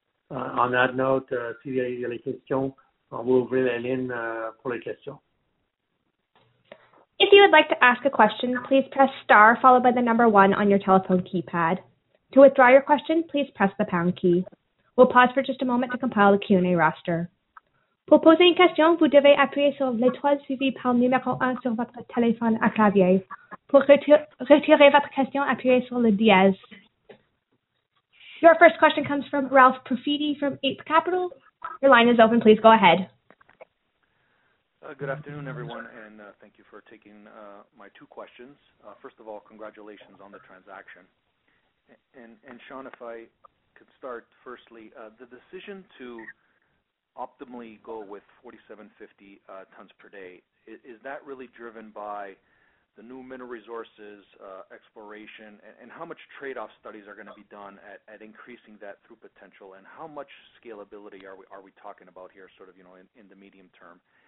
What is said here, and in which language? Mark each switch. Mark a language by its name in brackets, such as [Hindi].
[English] On that note, [Spanish] si hay alguna question, vamos a abrir la línea por la cuestión. [English] If you would like to ask a question, please press star followed by the number one on your telephone keypad. To withdraw your question, please press the pound key. We'll pause for just a moment to compile the Q&A roster. [French] Pour poser une question, vous devez appuyer sur l'étoile suivie par numéro 1 sur votre téléphone à clavier. Pour retirer votre question, appuyez sur le dièse. [English] Your first question comes from Ralph Profiti from Ape Capital. Your line is open. Please go ahead. Good afternoon, everyone, and thank you for taking my two questions. First of all, congratulations on the transaction. And Sean, if I could start, firstly, the decision to optimally go with 4,750 tons per day, is that really driven by the new mineral resources, exploration, and how much trade-off studies are going to be done at increasing that through potential, and how much scalability are we talking about here sort of, you know, in the medium term?